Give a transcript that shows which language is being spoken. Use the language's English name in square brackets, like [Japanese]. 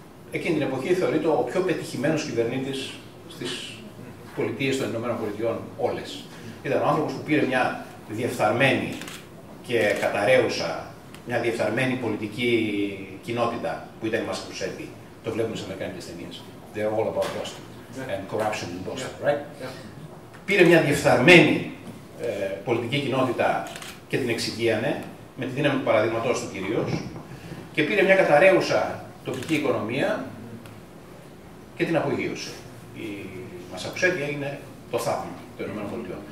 [Greek] Εκείνη την εποχή θεωρείται ο πιο πετυχημένος κυβερνήτης στις πολιτείες των Ηνωμένων Πολιτειών όλες. Ήταν ο άνθρωπος που πήρε μια διεφθαρμένη και καταραίουσα, μια διεφθαρμένη πολιτική κοινότητα που ήταν η Μασαχουσέτη. Το βλέπουμε σε αμερικανικές ταινίες. [English] They're all about Boston and corruption in Boston, right? [Greek] Πήρε μια διεφθαρμένη πολιτική κοινότητα και την εξυγίανε, με τη δύναμη του παραδείγματός του κυρίως, και πήρε μια καταραίουσα τοπική οικονομία και την απογείωσε. Η Μασαχουσέτη έγινε το θαύμα των Ηνωμένων Πολιτειών.